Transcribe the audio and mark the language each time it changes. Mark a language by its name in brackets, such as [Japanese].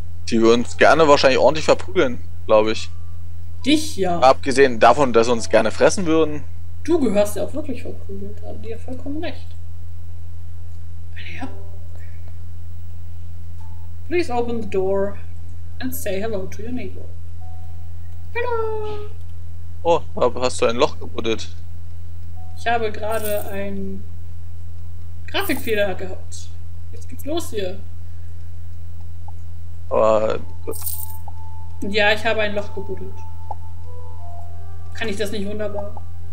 [German] Die würden uns gerne wahrscheinlich ordentlich verprügeln, glaube ich. Dich ja. Abgesehen davon, dass sie uns gerne fressen würden. Du gehörst ja auch wirklich verprügelt, da hat dir vollkommen recht. Ja. [English] Please open the door and say hello to your neighbor. [German] Hallo! Oh, da hast du ein Loch gebuddelt. Ich habe gerade einen Grafikfehler gehabt. Jetzt geht's los hier. Aber. Ja, ich habe ein Loch gebuddelt. Kann ich das nicht wunderbar?